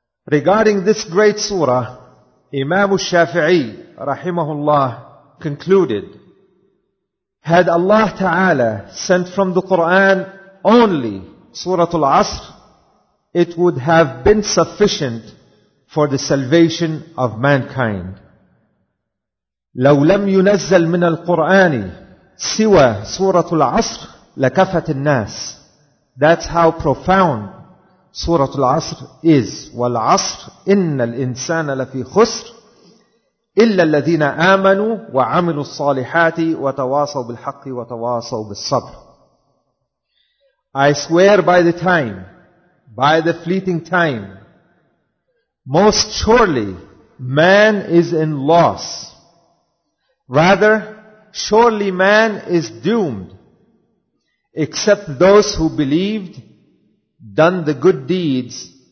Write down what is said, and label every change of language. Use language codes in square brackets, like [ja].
[en] Regarding this great surah, Imam Shafi'i rahimahullah concluded, had Allah Ta'ala sent from the Quran only Surah Al-Asr, it would have been sufficient for the salvation of mankind. [ar] لو لم ينزل من القرآن سوى سورة العصر لكفت الناس. [en] That's how profound سورة العصر is. [ar] والعصر إن الإنسان لفي خسر إلا الذين آمنوا وعملوا الصالحات وتواصوا بالحق وتواصوا بالصبر. [en] I swear by the time, by the fleeting time, most surely man is in loss. Rather, surely man is doomed, except those who believed, done the good deeds,